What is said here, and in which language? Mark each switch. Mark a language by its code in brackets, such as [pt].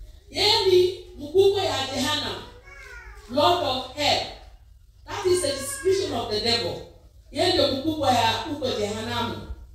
[sw] Yeye ni mkubwa ya Jehanamu. [en] Lord of hell. That is the description of the devil. [sw] Yeye ndio mkubwa ya huko Jehanamu.